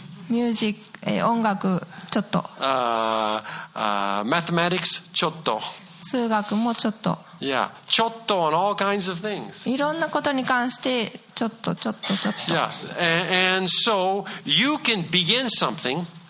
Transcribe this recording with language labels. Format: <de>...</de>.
<ja>Music, 音楽、ちょっと。 Mathematics, ちょっと。数学もちょっと。</ja> <en>Yeah, ちょっと on all kinds of things.</en> <ja>いろんなことに関して、ちょっと、ちょっと、ちょっと。</ja> <en>Yeah, and so you can begin something.</en>